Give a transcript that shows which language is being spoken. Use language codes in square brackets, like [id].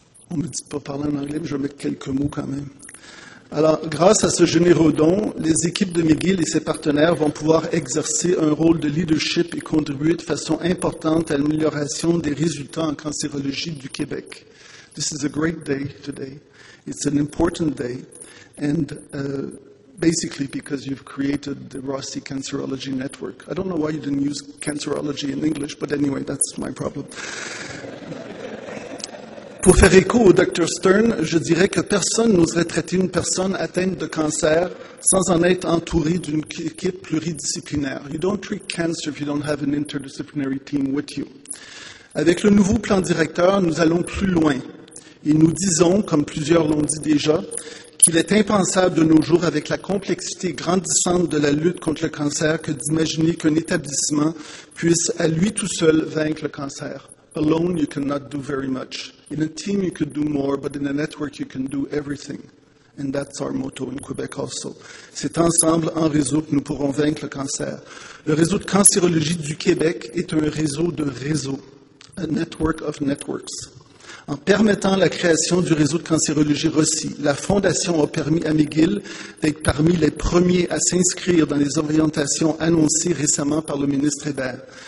[fr] On ne me dit pas parler en anglais, mais je vais mettre quelques mots quand même. Alors, grâce à ce généreux don, les équipes de McGill et ses partenaires vont pouvoir exercer un rôle de leadership et contribuer de façon importante à l'amélioration des résultats en cancérologie du Québec. [en] This is a great day today. It's an important day. And basically because you've created the Rossi Cancerology Network. I don't know why you didn't use cancerology in English, but anyway, that's my problem. [fr] Pour faire écho au Dr. Stern, je dirais que personne n'oserait traiter une personne atteinte de cancer sans en être entouré d'une équipe pluridisciplinaire. [en] You don't treat cancer if you don't have an interdisciplinary team with you. [fr] Avec le nouveau plan directeur, nous allons plus loin. Et nous disons, comme plusieurs l'ont dit déjà, qu'il est impensable de nos jours, avec la complexité grandissante de la lutte contre le cancer, que d'imaginer qu'un établissement puisse à lui tout seul vaincre le cancer. [en] Alone, you cannot do very much. In a team, you could do more, but in a network, you can do everything. And that's our motto in Quebec also. [fr] C'est ensemble, en réseau, que nous pourrons vaincre le cancer. Le réseau de cancérologie du Québec est un réseau de réseaux, [en] a network of networks. [fr] En permettant la création du réseau de cancérologie Rossi, la Fondation a permis à McGill d'être parmi les premiers à s'inscrire dans les orientations annoncées récemment par le ministre Hébert.